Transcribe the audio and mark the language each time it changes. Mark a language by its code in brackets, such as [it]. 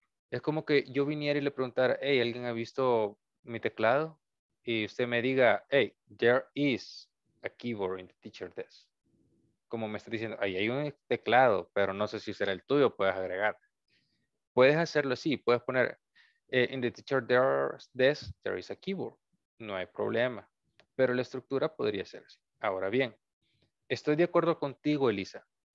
[es] Es como que yo viniera y le preguntara, hey, ¿alguien ha visto mi teclado? Y usted me diga, [en] hey, there is a keyboard in the teacher desk. [es] como me está diciendo, ahí hay un teclado, pero no sé si será el tuyo, puedes agregar. Puedes hacerlo así, puedes poner, [en] in the teacher there's desk, there is a keyboard. [es] No hay problema, pero la estructura podría ser así. Ahora bien, estoy de acuerdo contigo, Elisa.